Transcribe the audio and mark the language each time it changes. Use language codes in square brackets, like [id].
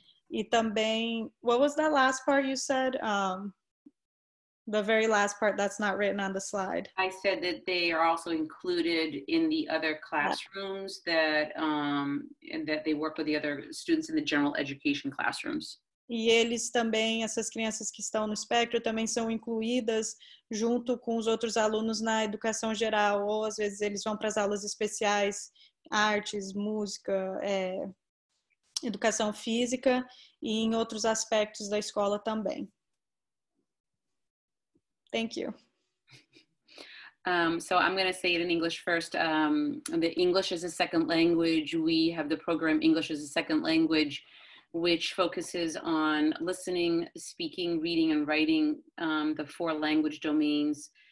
[pt] E também, [en] what was the last part you said? The very last part that's not written on the slide. I said that they are also included in the other classrooms that they work with the other students in the general education classrooms. [pt] E eles também, essas crianças que estão no espectro, também são incluídas junto com os outros alunos na educação geral, ou às vezes eles vão para as aulas especiais, artes, música, educação física, e em outros aspectos da escola também. [en] Thank you. So I'm going to say it in English first. The English as a second language, we have the program English as a second language, which focuses on listening, speaking, reading, and writing, the four language domains.